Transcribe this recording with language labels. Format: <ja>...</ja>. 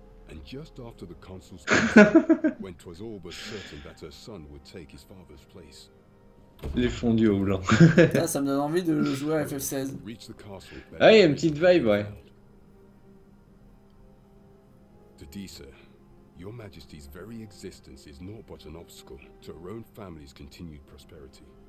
<en>And just after the consul's death, when 'twas all but certain that her son would take his father's place.</en> <fr>Les fondus au blanc. Là, ça me donne envie de jouer à FF16. Ah, il y a une petite vibe, ouais.</fr> <en>Dedisa, your majesty's very existence is naught but an obstacle to her own family's continued prosperity.</en>